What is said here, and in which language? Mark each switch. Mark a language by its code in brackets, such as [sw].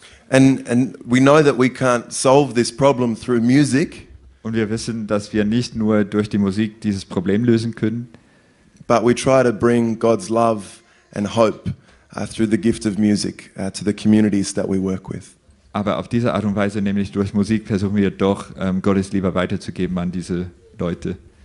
[en] And we know that we can't solve this problem through music. [de] Und wir wissen, dass wir nicht nur durch die Musik dieses Problem lösen können. [en] But we try to bring God's love and hope through the gift of music to the communities that we work with. [de] Aber auf diese Art und Weise, nämlich durch Musik, versuchen wir doch Gottes Liebe weiterzugeben an diese Leute.